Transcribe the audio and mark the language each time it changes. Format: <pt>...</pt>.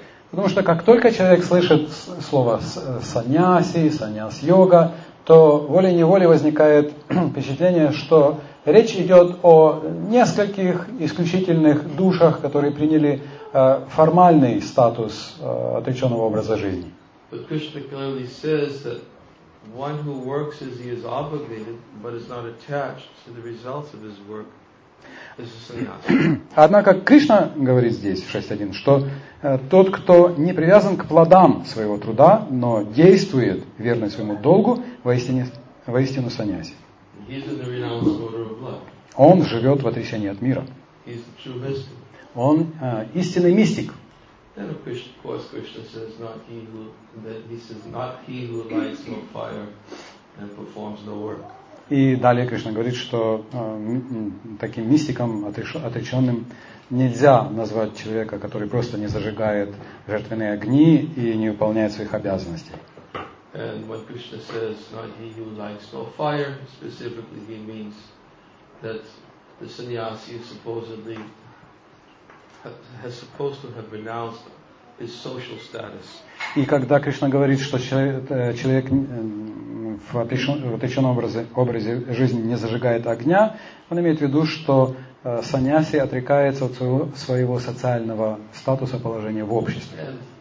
<ru>Потому что как только человек слышит слово саньяси, саньяс-йога, то волей-неволей возникает впечатление, что речь идет о нескольких исключительных душах, которые приняли формальный статус отреченного образа жизни.</ru> <en>But Krishna clearly says that one who works as he is obligated, but is not attached to the results of his work, is a sannyasi.</en> <ru>Однако Кришна говорит здесь в 6.1, что тот, кто не привязан к плодам своего труда, но действует верно своему долгу, воистину саньяси.</ru> <en>He's in the renounced order of life.</en> <ru>Он живет в отречении от мира.</ru> <en>He's the true mystic.</en> <ru>Он истинный мистик.</ru> <en>Then of course Krishna says not he who lights no fire and performs no work.</en> <ru>И далее Кришна говорит, что таким мистиком отреченным нельзя назвать человека, который просто не зажигает жертвенные огни и не выполняет своих обязанностей.</ru> <en>And when Krishna says not he who lights no fire, specifically he means that the sannyasi supposedly has supposed to have renounced his social status.</en> <ru>И когда Кришна говорит, что человек в отреченном образе жизни не зажигает огня, он имеет в виду, что саньяси отрекается от своего социального статуса, положения в обществе.</ru>